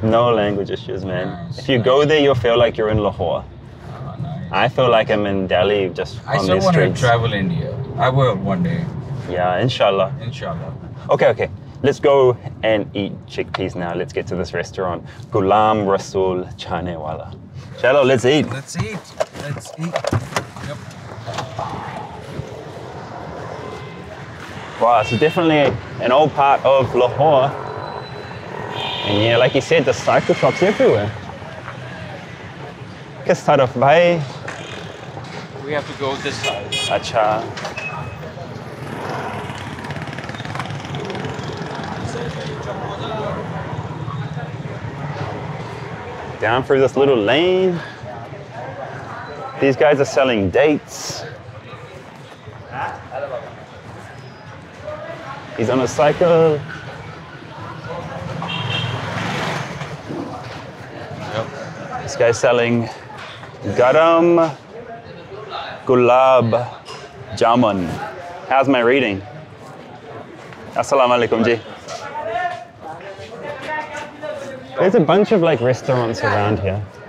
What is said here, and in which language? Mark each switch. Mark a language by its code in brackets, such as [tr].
[en] No language issues, man. Nice, if you go there, you'll feel like you're in Lahore. Nice. I feel like I'm in Delhi, just on these streets. I still want to travel India. I will one day. Yeah, inshallah. Inshallah. Okay. Let's go and eat chickpeas now. Let's get to this restaurant. [ur] Ghulam رسول چنے والا۔ [en] Shallow, let's eat. Let's eat. Yep. Wow, so definitely an old part of Lahore. And yeah, like you said, the cycle shops everywhere. [ur] کس طرف بھائی؟ [en] We have to go this side. [ur] Acha. [en] Down through this little lane. These guys are selling dates. He's on a cycle. Yep. This guy's selling [ur] گرم gulab jamun. [en] How's my reading? [ur] السلام علیکم جی۔ [en] There's a bunch of like restaurants around here.